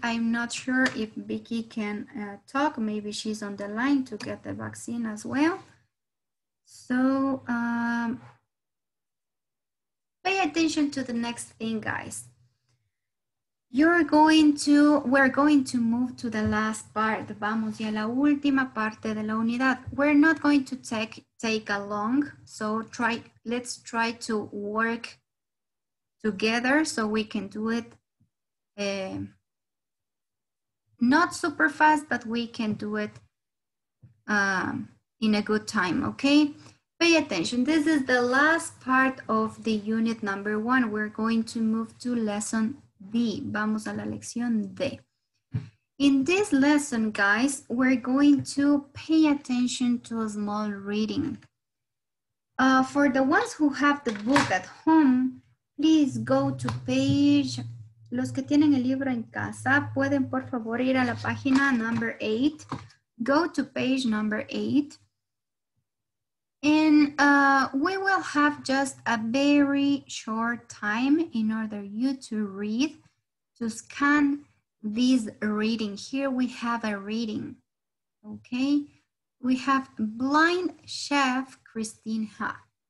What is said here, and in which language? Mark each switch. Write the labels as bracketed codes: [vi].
[en] I'm not sure if Vicky can talk. Maybe she's on the line to get the vaccine as well. So pay attention to the next thing, guys. We're going to move to the last part. [es] Vamos ya la última parte de la unidad. [en] We're not going to take along. So let's try to work together so we can do it. Not super fast, but we can do it in a good time, okay? Pay attention. This is the last part of the unit number one. We're going to move to lesson D. [es] Vamos a la lección D. [en] In this lesson, guys, we're going to pay attention to a small reading. For the ones who have the book at home, please go to page... [es] Los que tienen el libro en casa, pueden por favor ir a la página [en] number 8. Go to page number 8. And we will have just a very short time in order you to read, to scan this reading. Here we have a reading, okay? We have Blind Chef Christine Ha.